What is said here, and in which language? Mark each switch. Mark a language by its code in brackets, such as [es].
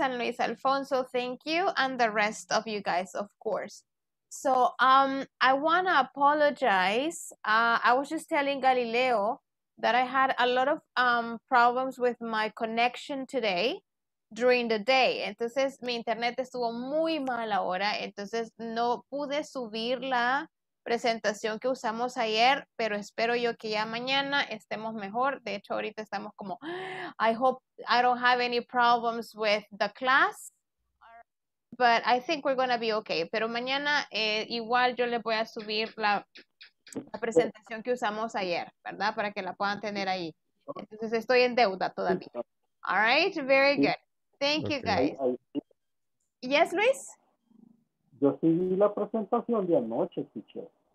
[en] And Luis Alfonso, thank you. And the rest of you guys, of course. So I want to apologize. I was just telling Galileo that I had a lot of problems with my connection today during the day. [es] Entonces, mi internet estuvo muy mal ahora. Entonces, no pude subir la presentación que usamos ayer, pero espero yo que ya mañana estemos mejor. De hecho, ahorita estamos como, [en] I hope I don't have any problems with the class, but I think we're going to be okay. [es] Pero mañana igual yo les voy a subir la presentación que usamos ayer, ¿verdad? Para que la puedan tener ahí. Entonces, estoy en deuda todavía. [en] All right, very good. Thank you, guys. Yes, Luis? [es] Yo sí vi la presentación de anoche, teacher.